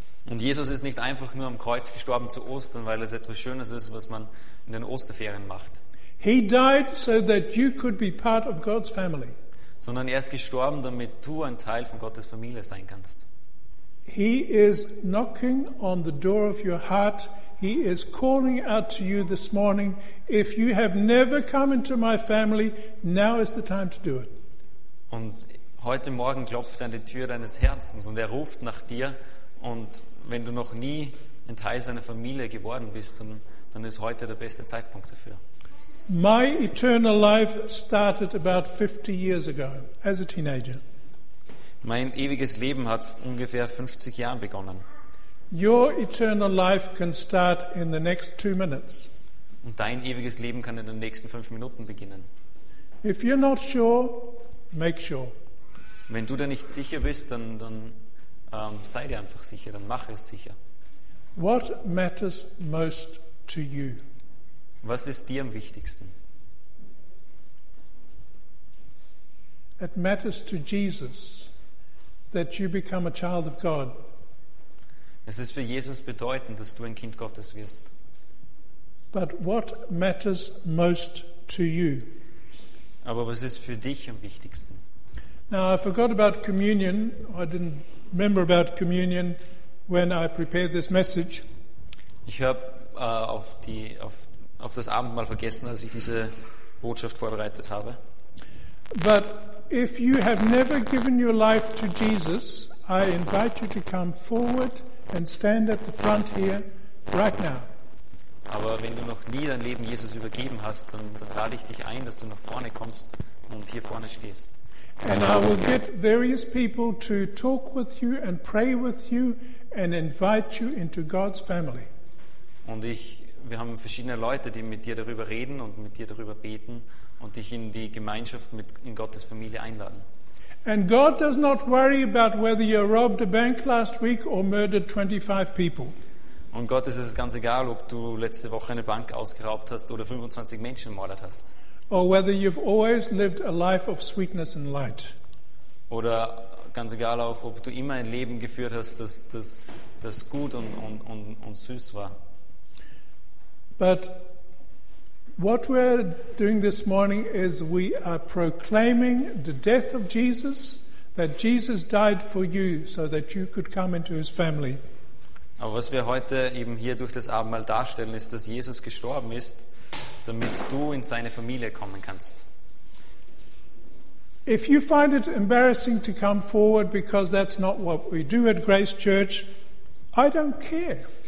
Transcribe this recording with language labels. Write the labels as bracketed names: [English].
[German] Und Jesus ist nicht einfach nur am Kreuz gestorben zu Ostern, weil es etwas Schönes ist, was man in den Osterferien macht. [English] He died so that you could be part of God's family. [German] Sondern er ist gestorben, damit du ein Teil von Gottes Familie sein kannst. [English] He is knocking on the door of your heart. He is calling out to you this morning. If you have never come into my family, now is the time to do it. [German] Und heute Morgen klopft er an die Tür deines Herzens und er ruft nach dir. Und wenn du noch nie ein Teil seiner Familie geworden bist, dann ist heute der beste Zeitpunkt dafür. [English] My eternal life started about 50 years ago as a teenager. [German] Mein ewiges Leben hat ungefähr 50 Jahren begonnen. [English] Your eternal life can start in the next 2 minutes. [German] Und dein ewiges Leben kann in den nächsten 5 Minuten beginnen. [English] If you're not sure, make sure. [German] Wenn du da nicht sicher bist, sei dir einfach sicher, dann mach es sicher. [English] What matters most to you? [German] Was ist dir am wichtigsten? [English] It matters to Jesus that you become a child of God. [German] Es ist für Jesus bedeutend, dass du ein Kind Gottes wirst. [English] But what matters most to you? [German] Aber was ist für dich am wichtigsten? [English] Now I forgot about communion. I didn't remember about communion when I prepared this message. [German] Ich habe auf das Abendmahl vergessen, als ich diese Botschaft vorbereitet habe. [English] But if you have never given your life to Jesus, I invite you to come forward and stand at the front here right now. [German] Aber wenn du noch nie dein Leben Jesus übergeben hast, dann lade ich dich ein, dass du nach vorne kommst und hier vorne stehst. [English] And I will get various people to talk with you and pray with you and invite you into God's family. [German] Und wir haben verschiedene Leute, die mit dir darüber reden und mit dir darüber beten und dich in die Gemeinschaft in Gottes Familie einladen. [English] And God does not worry about whether you robbed a bank last week or murdered 25 people. [German] Und Gott ist es ganz egal, ob du letzte Woche eine Bank ausgeraubt hast oder 25 Menschen ermordet hast. [English] Or whether you've always lived a life of sweetness and light. [German] oder ganz egal auch, ob du immer ein Leben geführt hast, das gut und süß war. [English] But what we're doing this morning is we are proclaiming the death of Jesus, that Jesus died for you so that you could come into his family. [German] Aber was wir heute eben hier durch das Abendmahl darstellen, ist, dass Jesus gestorben ist, damit du in seine Familie kommen kannst. [English] If you find it embarrassing to come forward because that's not what we do at Grace Church, I don't care.